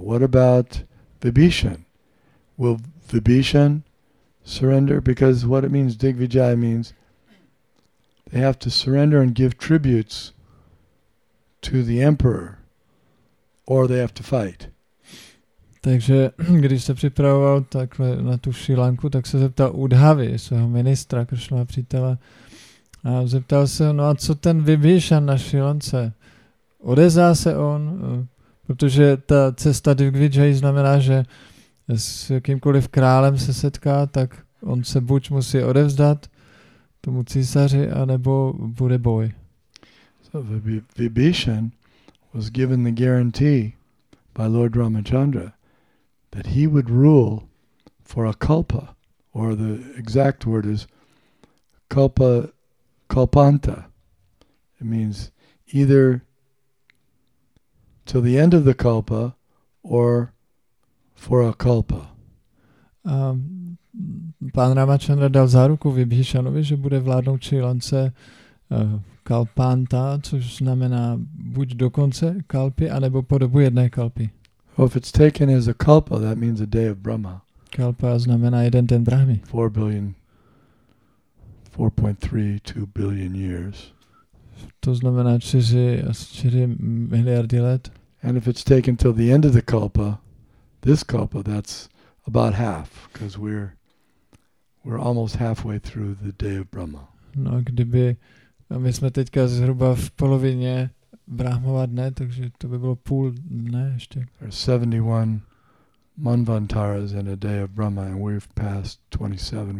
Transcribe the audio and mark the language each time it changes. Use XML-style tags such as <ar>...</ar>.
<en>What about Vibhishan? Will Vibhishan surrender? Because what it means, Digvijay means they have to surrender and give tributes to the emperor, or they have to fight.</en> <cs>Takže když se připravoval takhle na tu Sri Lanku, tak se zeptal Udhavy, svého ministra, Krishnova přítele, a zeptal se, no a co ten Vibhishan na Sri Lance? Odezá se on? Protože ta cesta Digvijay znamená, že s jakýmkoliv králem se setká, tak on se buď musí odevzdat tomu císaři, anebo bude boj.</cs> <en>So Vibhishan was given the guarantee by Lord Ramachandra that he would rule for a kalpa, or the exact word is kalpa, kalpanta. It means either till the end of the kalpa or for a kalpa.</en> <cs>Pan Ramachandra dal záruku Vibhishanovi, že bude vládnout Sri Lance kalpanta, což znamená buď do konce kalpy, anebo po dobu jedné kalpy.</cs> <en>Well, if it's taken as a kalpa, that means a day of Brahma.</en> <cs>Kalpa znamená jeden den Brahmy.</cs> <en>4.32 billion years.</en> <cs>To znamená 4 miliardy let.</cs> <en>And if it's taken till the end of the kalpa, this kalpa, that's about half, because we're almost halfway through the day of Brahma.</en> <cs>No, kdyby my jsme teďka zhruba v polovině Brahmova dne, takže to by bylo půl dne ještě.</cs> <en>There are 71 manvantaras in a day of Brahma, and we've passed 27.</en>